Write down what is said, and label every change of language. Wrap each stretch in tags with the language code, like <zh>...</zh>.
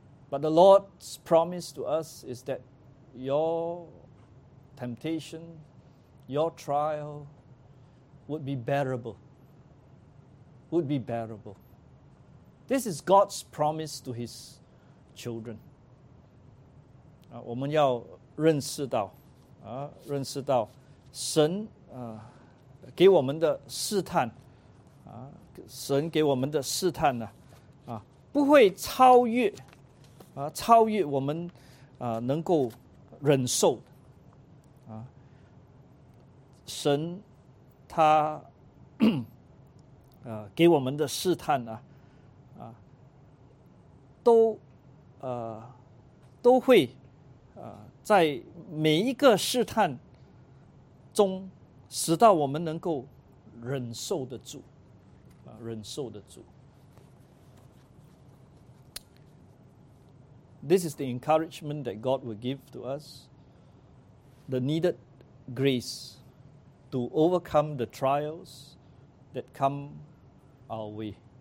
<en>But the Lord's promise to us is that your temptation, your trial would be bearable. Would be bearable. This is God's promise to His children.</en> <zh>我们要认识到认识到神给我们的试探神给我们的试探不会超越超越我们能够忍受的神他给我们的试探都会在每一个试探中，使到我们能够忍受得住，忍受得住。</zh> <en>This is the encouragement that God will give to us, the needed grace to overcome the trials that come our way.</en>